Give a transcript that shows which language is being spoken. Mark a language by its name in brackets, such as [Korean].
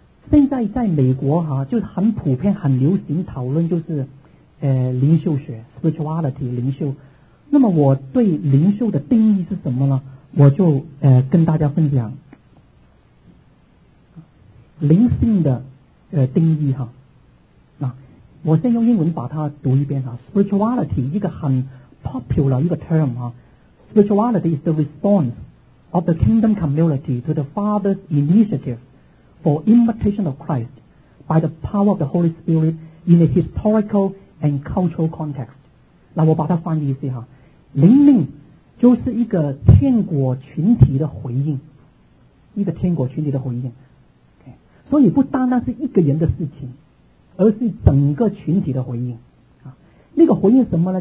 [Chinese] 现在在美国哈，就是很普遍很流行讨论就是灵修学 spirituality 灵修。那么我对灵修的定义是什么呢？我就跟大家分享灵性的定义哈。那我先用英文把它读一遍哈。 [English] spirituality [Chinese] 一个很 [English] popular [Chinese] 一个 [English] term [Chinese] 哈， [English] spirituality is the response of the kingdom community to the father's initiativeFor imitation of Christ by the power of the Holy Spirit in a historical and cultural context. [Chinese] 那我把它翻译一下，灵命就是一个天国群体的回应，一个天国群体的回应。 [English] Okay. [Chinese] 所以不单单是一个人的事情，而是整个群体的回应。那个回应什么呢？